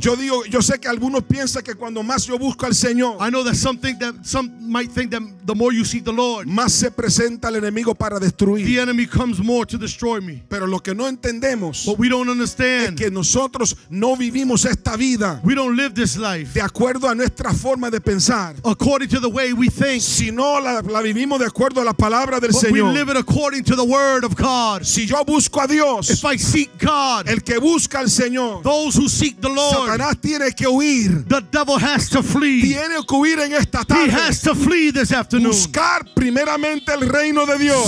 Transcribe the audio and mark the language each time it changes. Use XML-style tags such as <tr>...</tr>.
<es>Yo digo, yo sé que algunos piensan que cuando más yo busco al Señor,</es> <en>I know that some think that some might think that the more you seek the Lord,</en> <es>más se presenta el enemigo para destruir.</es> <en>The enemy comes more to destroy me.</en> <es>Pero lo que no entendemos,</es> <en>what we don't understand,</en> <es>es que nosotros no vivimos esta vida,</es> <en>we don't live this life,</en> <es>de acuerdo a nuestra forma de pensar,</es> <en>according to the way we think,</en> <es>sino la vivimos de acuerdo a la palabra del</es> <en>but</en> <es>Señor.</es> <en>We live it according to the word of God.</en> <es>Si yo busco a Dios,</es> <en>if I seek God,</en> <es>el que busca al Señor,</es> <en>those who seek the Lord,</en> <es>Satanás tiene que huir,</es> <en>the devil has to flee,</en> <es>tiene que huir en esta tarde,</es> <en>he has to flee this afternoon,</en> <es>buscar primeramente el reino de Dios,</es>